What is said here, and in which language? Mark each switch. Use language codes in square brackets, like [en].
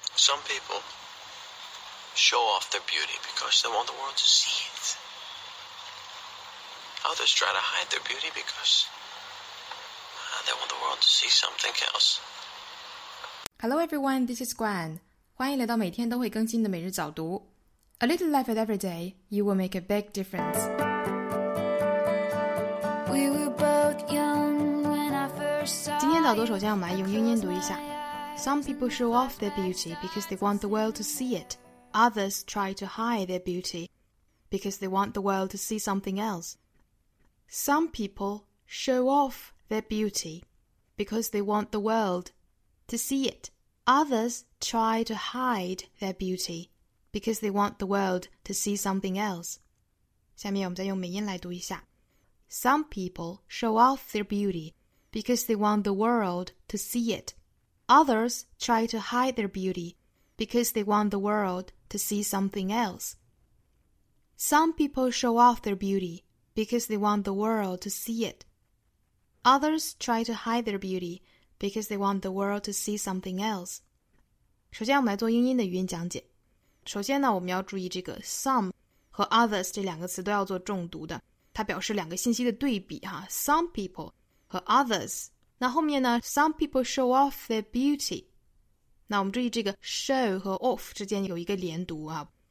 [en] Some people show off their beauty because they want the world to see it. Others try to hide their beauty because they want the world to see something else. Hello everyone, this is Gwen. [zh] 欢迎来到每天都会更新的每日早读。 [en] A little life at every day, you will make a big difference. We were both young when I first saw you. [zh] 今天早读首先我们来用英音读一下。 [en] Some people show off their beauty because they want the world to see it. Others try to hide their beauty because they want the world to see something else. Some people show off their beauty because they want the world to see it. Others try to hide their beauty because they want the world to see something else. [zh] 下面我们再用美音来读一下。 [en] Some people show off their beauty because they want the world to see it. Others try to hide their beauty because they want the world to see something else. Some people show off their beauty because they want the world to see it. Others try to hide their beauty because they want the world to see something else. [zh] 首先我们来做英音的语音讲解。首先呢，我们要注意这个 some 和 others 这两个词都要做重读的，它表示两个信息的对比哈。 [en] Some people 和 others。 [zh] 那后面呢 [en] ,some people show off their beauty. [zh] 那我们注意这个 show 和 off 之间有一个连读啊。